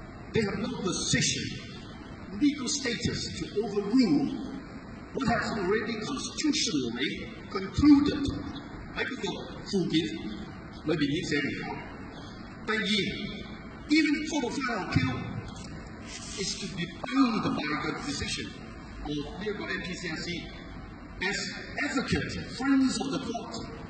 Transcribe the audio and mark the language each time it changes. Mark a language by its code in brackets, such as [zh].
[en] They have no position, legal status to overrule what has already constitutionally concluded. [zh] 在那個附件裡面已經寫明了。第二， [en] even for the final appeal is to be bound by the decision of the NPCSC as advocate, friends of the court.